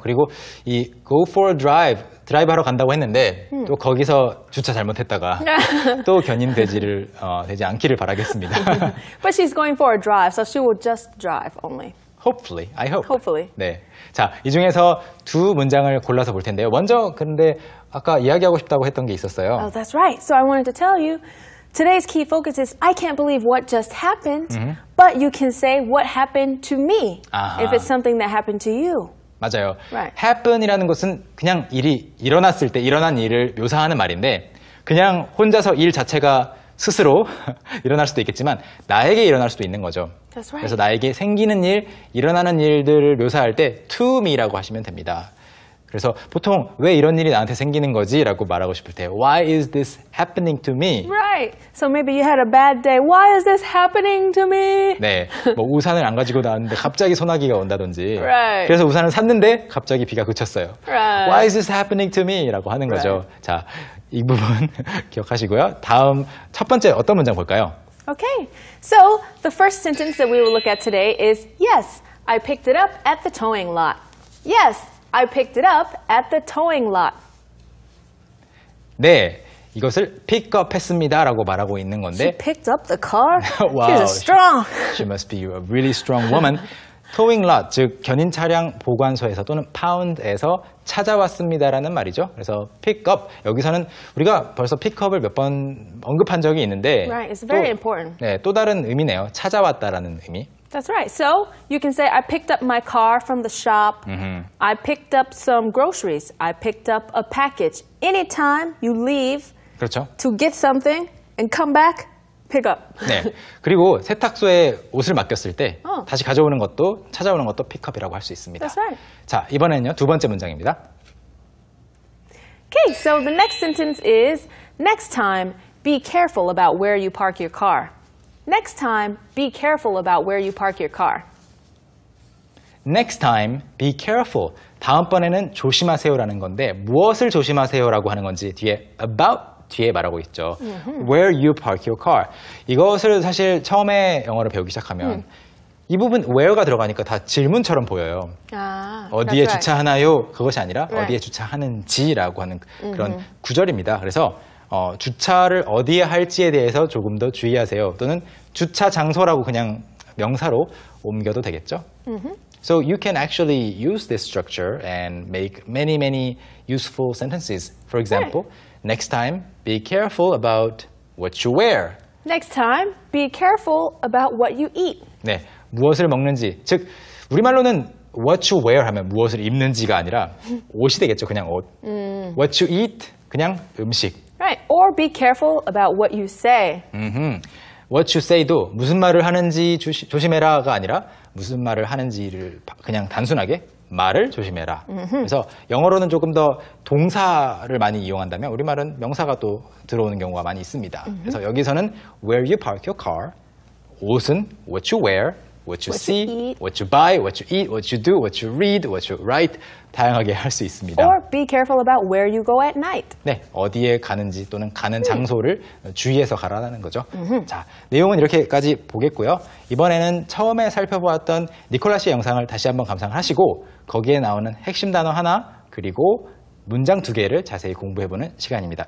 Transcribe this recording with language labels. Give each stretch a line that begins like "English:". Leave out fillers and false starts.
Korean: 그리고 이
English: go for a drive,
Korean: 드라이브 하러 간다고 했는데 또 거기서 주차 잘못했다가 또 견인되지를 되지 않기를 바라겠습니다.
English: But she's going for a drive, so she will just drive only. Hopefully, I hope. Hopefully.
Korean: 네. 자, 이 중에서 두 문장을 골라서 볼 텐데요. 먼저 근데 아까 이야기하고 싶다고 했던 게 있었어요.
English: Oh, that's right. So I wanted to tell you, today's key focus is I can't believe what just happened, but you can say what happened to me if it's something that happened to you.
Korean: 맞아요.
English: Right.
Korean: Happen이라는 것은 그냥 일이 일어났을 때 일어난 일을 묘사하는 말인데 그냥 혼자서 일 자체가 스스로 일어날 수도 있겠지만 나에게 일어날 수도 있는 거죠.
English: That's right.
Korean: 그래서 나에게 생기는 일, 일어나는 일들을 묘사할 때 to me라고 하시면 됩니다. 그래서 보통 왜 이런 일이 나한테 생기는 거지? 라고 말하고 싶을 때
English: Why is this happening to me? Right. So maybe you had a bad day. Why is this happening to me?
Korean: 네. 뭐 우산을 안 가지고 나왔는데 갑자기 소나기가 온다든지
English: Right.
Korean: 그래서 우산을 샀는데 갑자기 비가 그쳤어요.
English: Right. Why is this happening to me?
Korean: 라고 하는 거죠.
English: Right.
Korean: 자, 이 부분 기억하시고요. 다음 첫 번째 어떤 문장 볼까요?
English: Okay. So the first sentence that we will look at today is Yes, I picked it up at the towing lot. Yes. I picked it up at the towing lot.
Korean: 네, 이것을 pick up 했습니다 라고 말하고 있는 건데
English: She picked up the car? wow, She's strong. She must be a really strong woman. towing lot,
Korean: 즉 견인 차량 보관소에서 또는 pound에서 찾아왔습니다라는 말이죠. 그래서 pick up, 여기서는 우리가 벌써 pick up을 몇 번 언급한 적이 있는데
English: Right, it's very 또, important.
Korean: 네, 또 다른 의미네요. 찾아왔다라는 의미.
English: That's right. So you can say, I picked up my car from the shop. I picked up some groceries. I picked up a package. Anytime you leave
Korean: 그렇죠.
English: to get something and come back, pick up.
Korean: 네. 그리고 세탁소에 옷을 맡겼을 때 다시 가져오는 것도 찾아오는 것도 픽업이라고 할 수 있습니다.
English: That's right.
Korean: 자, 이번에는요. 두 번째 문장입니다.
English: Okay, so the next sentence is, next time, be careful about where you park your car. Next time, be careful about where you park your car. Next time, be careful.
Korean: 다음번에는 조심하세요라는 건데 무엇을 조심하세요라고 하는 건지 뒤에 about 뒤에 말하고 있죠.
English: Where you park your car.
Korean: 이것을 사실 처음에 영어를 배우기 시작하면 이 부분 where가 들어가니까 다 질문처럼 보여요. 아, 어디에
English: right.
Korean: 주차하나요? 그것이 아니라 right. 어디에 주차하는지라고 하는 그런 구절입니다. 그래서 주차를 어디에 할지에 대해서 조금 더 주의하세요. 또는 주차 장소라고 그냥 명사로 옮겨도 되겠죠.
English: So you can actually use this structure and make many, many useful sentences. For example, right. next time, be careful about what you wear. Next time, be careful about what you eat.
Korean: 네, 무엇을 먹는지. 즉, 우리말로는
English: what you wear
Korean: 하면 무엇을 입는지가 아니라 옷이 되겠죠, 그냥 옷.
English: What you eat,
Korean: 그냥 음식.
English: Right, or be careful about what you say.
Korean: Mm-hmm.
English: What you say
Korean: 도 무슨 말을 하는지 조심해라가 아니라 무슨 말을 하는지를 그냥 단순하게 말을 조심해라. Mm-hmm. 그래서 영어로는 조금 더 동사를 많이 이용한다면 우리말은 명사가 또 들어오는 경우가 많이 있습니다. Mm-hmm. 그래서 여기서는
English: where you park your car, 옷은 what you wear, what you what see, you eat. What you buy, what you eat, what you do, what you read, what you write,
Korean: 다양하게 할 수 있습니다.
English: Or be careful about where you go at night.
Korean: 네, 어디에 가는지 또는 가는 장소를 주의해서 가라는 거죠. Mm-hmm. 자, 내용은 이렇게까지 보겠고요. 이번에는 처음에 살펴보았던 니콜라시의 영상을 다시 한번 감상하시고 거기에 나오는 핵심 단어 하나 그리고 문장 두 개를 자세히 공부해보는 시간입니다.